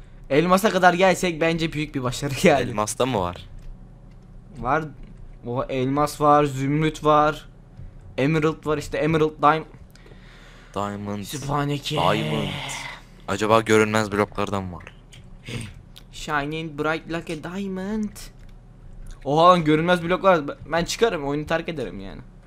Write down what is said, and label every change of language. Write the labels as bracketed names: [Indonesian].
[Turkish] Elmasa kadar gelsek bence büyük bir başarı geldi. Elmas da mı var? Var. Oha, elmas var, zümrüt var. Emerald var işte, emerald [English] diamond. [Turkish] Sübhaneke. [English] Diamond. [Turkish] Acaba görünmez bloklardan mı var? [English] Shining bright like a diamond. [Turkish] Oha lan, görünmez bloklar. Ben çıkarım, oyunu terk ederim yani.